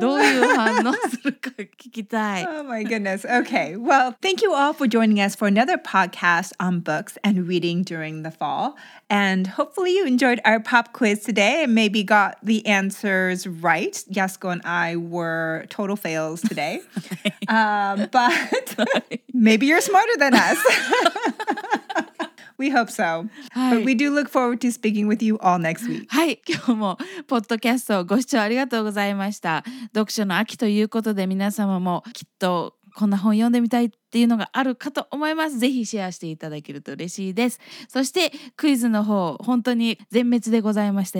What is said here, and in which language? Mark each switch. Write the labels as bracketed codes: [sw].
[ja] どういう反応するか聞きたい。 [en] Oh my goodness. Okay. Well, thank you all for joining us for another podcast on books and reading during the fall. And hopefully you enjoyed our pop quiz today and maybe got the answers right. Yasuko and I were total fails today. but maybe you're smarter than us. We hope so.、はい、But we do look forward to speaking with you all next week. [ja] はい、今日もポッドキャストご視聴ありがとうございました。読書の秋ということで皆様もきっとこんな本読んでみたいっていうのがあるかと思います。ぜひシェアしていただけると嬉しいです。そしてクイズの方、本当に全滅でございました。